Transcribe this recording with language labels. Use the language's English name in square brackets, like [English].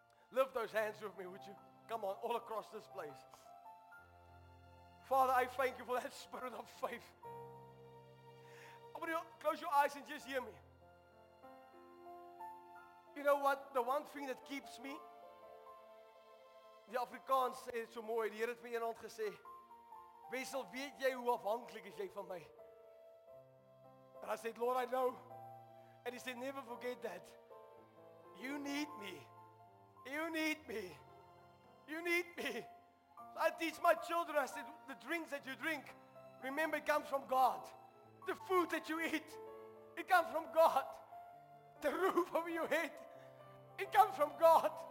[English] Lift those hands with me, would you? Come on, all across this place. Father, I thank you for that spirit of faith. Everybody, close your eyes and just hear me. You know what? The one thing that keeps me [Afrikaans] die Afrikaans sê dit so mooi, die Here het my eendag gesê, Wessel, weet jy hoe afhanklik is jy van my? [English] And I said, Lord, I know. And he said, never forget that. You need me. You need me. You need me. So I teach my children, I said, the drinks that you drink, remember it comes from God. The food that you eat, it comes from God. The roof over your head, it comes from God.